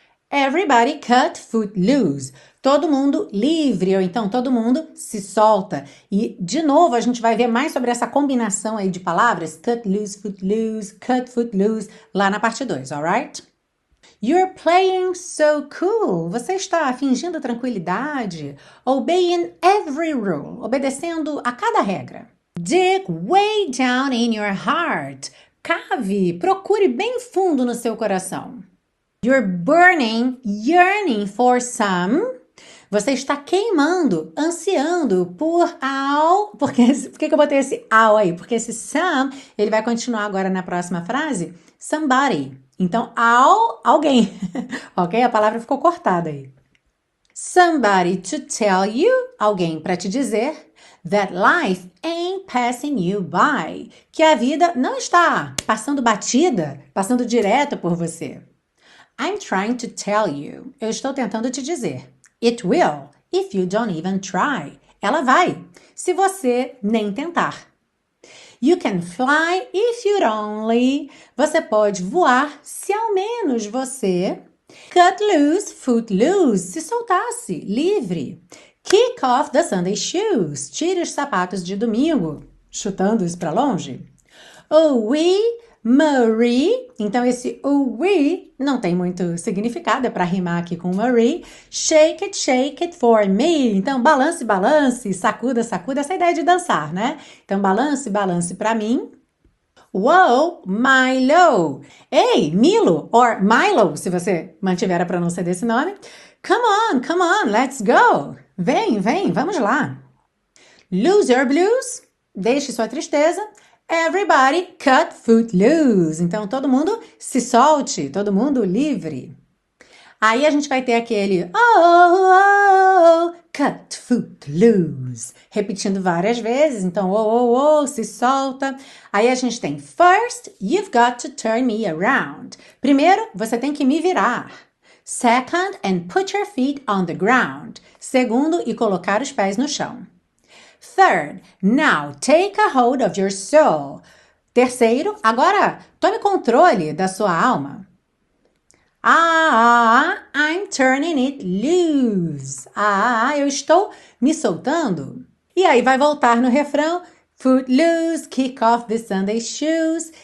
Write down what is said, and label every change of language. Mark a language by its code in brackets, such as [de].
[pt] Everybody cut footloose. Todo mundo livre, ou então todo mundo se solta. E de novo a gente vai ver mais sobre essa combinação aí de palavras: cut loose, footloose, cut footloose, lá na parte 2, alright? [en] You're playing so cool. [pt] Você está fingindo tranquilidade. [en] Obeying every rule. [pt] Obedecendo a cada regra. [en] Dig way down in your heart. [pt] Cave, procure bem fundo no seu coração. [en] You're burning, yearning for some. [pt] Você está queimando, ansiando por all. Por que eu botei esse all aí? Porque esse some, ele vai continuar agora na próxima frase. Somebody. Então, all, alguém. Ok? A palavra ficou cortada aí. [en] Somebody to tell you. [pt] Alguém para te dizer. [en] That life ain't passing you by. [pt] Que a vida não está passando batida, passando direto por você. [en] I'm trying to tell you. [pt] Eu estou tentando te dizer. [en] It will, if you don't even try. [pt] Ela vai, se você nem tentar. [en] You can fly if you'd only. [pt] Você pode voar se ao menos você cut loose, footloose, se soltasse, livre. [en] Kick off the Sunday shoes. [pt] Tire os sapatos de domingo, chutando-os para longe. Oh, we. Marie, então esse we não tem muito significado, é para rimar aqui com Marie. [en] Shake it for me. [pt] Então balance, balance, sacuda, sacuda, essa ideia de dançar, né? Então balance, balance para mim. Whoa, Milo. Ei, Milo, or Milo, se você mantiver a pronúncia desse nome. [en] Come on, let's go. [pt] Vem, vem, vamos lá. [en] Lose your blues, [pt] deixe sua tristeza. [en] Everybody cut footloose. [pt] Então todo mundo se solte, todo mundo livre. Aí a gente vai ter aquele oh, oh, oh, cut footloose. Repetindo várias vezes. Então oh, oh, oh, se solta. Aí a gente tem [en] first, you've got to turn me around. [pt] Primeiro, você tem que me virar. [en] Second, and put your feet on the ground. [pt] Segundo, e colocar os pés no chão. [en] Third, now take a hold of your soul. [pt] Terceiro, agora tome controle da sua alma. [en] Ah, I'm turning it loose. [pt] Ah, eu estou me soltando. E aí vai voltar no refrão: [en] footloose, kick off the Sunday shoes.